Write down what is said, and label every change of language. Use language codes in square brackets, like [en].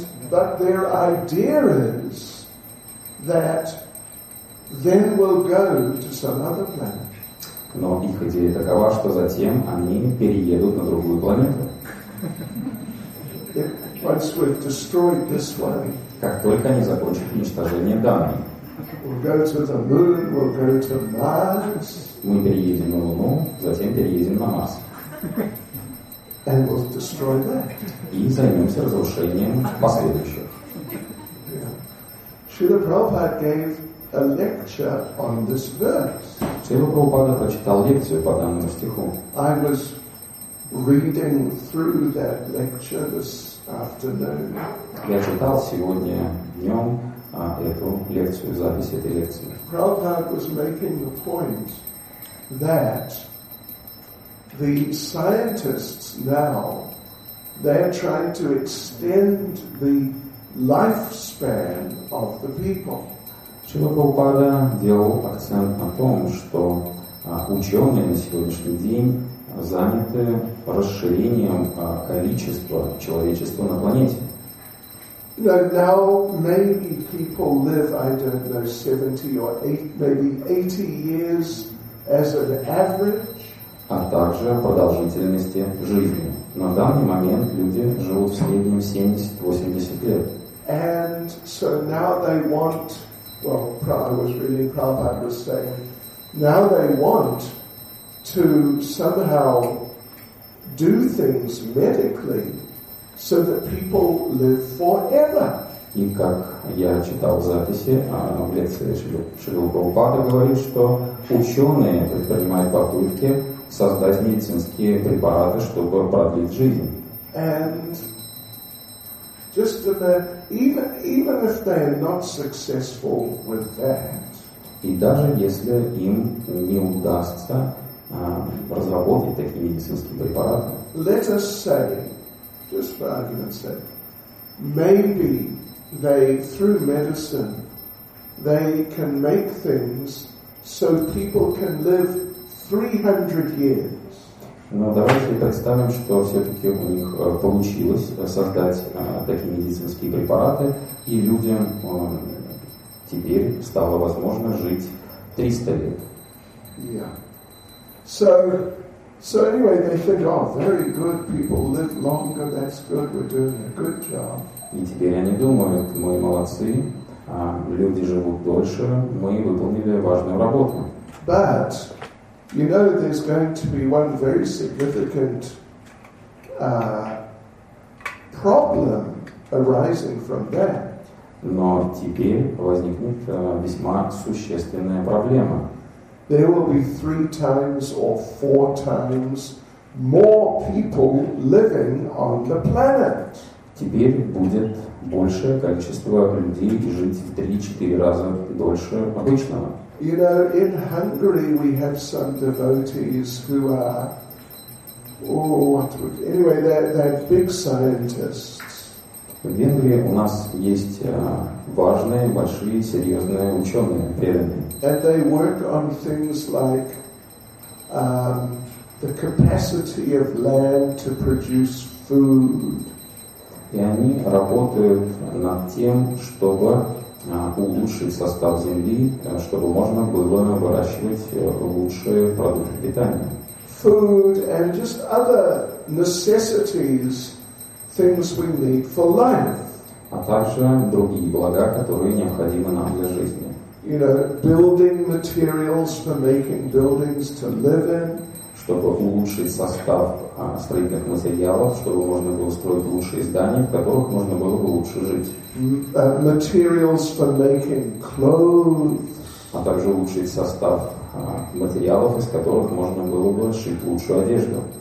[en] But their idea is that then we'll go to some other planet. [ru] Но их идея такова, что затем они переедут на другую планету. [en] Once we've destroyed this one, [ru] как только они закончат уничтожение данной. [en] We'll go to the moon, we'll go to Mars. [ru] Мы переедем на Луну, затем переедем на Марс. [en] and we'll destroy that. [ru] И займемся разрушением последующих. [en] Шрила Прабхупада gave a lecture on this verse. [ru] Шрила Прабхупада прочитал лекцию по данному стиху. [en] I was reading through that lecture this afternoon. [ru] Я читал сегодня днем эту лекцию, запись этой лекции. [en] Prabhupada was making the point that the scientists now, they're trying to extend the lifespan of the people. [ru] Шрила Прабхупада делал акцент на том, что ученые на сегодняшний день заняты расширением количества человечества на планете. [en] Now maybe people live, I don't know, 70 or 80, maybe 80 years as an average. [ru] А также продолжительности жизни. На данный момент люди живут в среднем 70-80 лет. [en] And so now they want, well, I was reading, Prabhupada was saying, now they want to somehow do things medically so that people live forever. [ru] И как я читал в записи, в лекции Шрилы Прабхупады говорит, что ученые предпринимают попытки создать медицинские препараты, чтобы продлить жизнь. [en] And just about, even if they are not successful with that. [ru] И даже если им не удастся разработать такие медицинские препараты. [en] Let us say, just for argument's sake, maybe they, through medicine, they can make things so people can live 300 years. [ru] Но давайте представим, что все-таки у них получилось создать такие медицинские препараты, и людям теперь стало возможно жить 300 лет. [en] Yeah. So anyway, they think, oh, very good, people live longer, that's good, we're doing a good job. [ru] И теперь они думают, мы молодцы, люди живут дольше, мы выполнили важную работу. [en] But you know, there's going to be one very significant problem arising from that. [ru] Но теперь возникнет весьма существенная проблема. [en] There will be 3 times or 4 times more people living on the planet. [ru] Теперь будет большее количество людей жить в 3-4 раза дольше обычного. [en] You know, in Hungary we have some devotees who are, they're big scientists. [ru] В Венгрии у нас есть важные, большие, серьезные ученые, преданные. [en] And they work on things like the capacity of land to produce food. [ru] И они работают над тем, чтобы улучшить состав земли, чтобы можно было выращивать лучшие продукты питания. [en] Food and just other necessities, things we need for life. [ru] А также другие блага, которые необходимы нам для жизни. [en] You know, building materials for making buildings to live in. [ru] Чтобы улучшить состав строительных материалов, чтобы можно было строить лучшие здания, в которых можно было бы лучше жить. [en] Materials for making clothes. [ru] А также улучшить состав материалов, из которых можно было бы шить лучшую одежду.